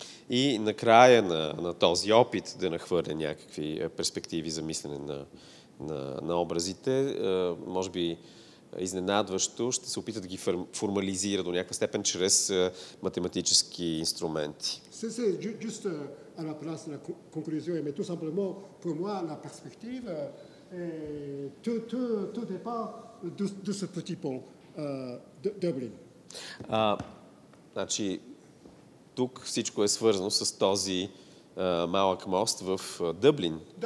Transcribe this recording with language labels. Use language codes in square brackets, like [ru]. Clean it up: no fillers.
[bg] И накрая на този опит да нахвърля някакви перспективи за мислене на образите, може би изненадващо ще се опита да ги формализира до някаква степен чрез математически инструменти. [fr] Juste à la place de la conclusion, mais tout simplement pour moi la perspective est tout départ de ce petit pont de Dublin. [bg] Значи тук всичко е свързано с този малък мост в Дъблин.